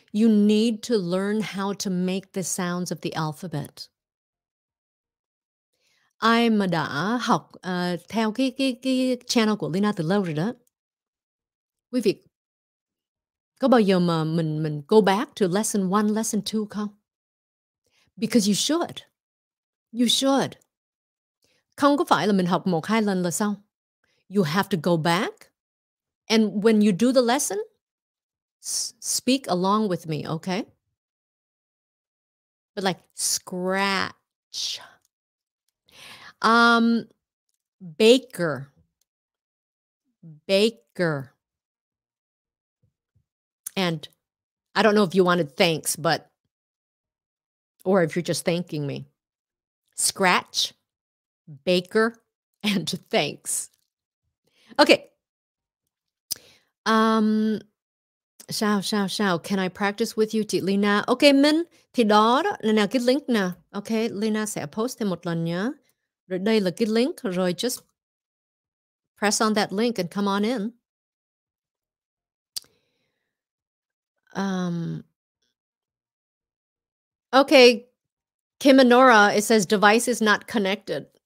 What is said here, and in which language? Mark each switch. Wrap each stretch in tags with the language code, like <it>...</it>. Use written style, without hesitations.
<en>You need to learn how to make the sounds of the alphabet.</en> <vi>Ai mà đã học theo cái channel của Lina từ lâu rồi đó. Quý vị, có bao giờ mà mình</vi> <en>go back to lesson 1, lesson 2</en> <vi>không?</vi> <en>Because you should. You should.</en> <vi>Không có phải là mình học một hai lần là xong.</vi> <en>You have to go back. And when you do the lesson, speak along with me, okay? But like scratch. Baker. Baker. And I don't know if you wanted thanks, but, or if you're just thanking me. Scratch, baker, and thanks. Okay. Sao. Can I practice with you, chị Lina? Okay, Minh.</en> <vi>Thì đó. Nè, cái link nè. Okay, Lina sẽ post thêm một lần nhé. Rồi đây là cái link. Rồi just</vi> <en>press on that link and come on in. Okay, Kim and Nora, it says device is not connected.</en>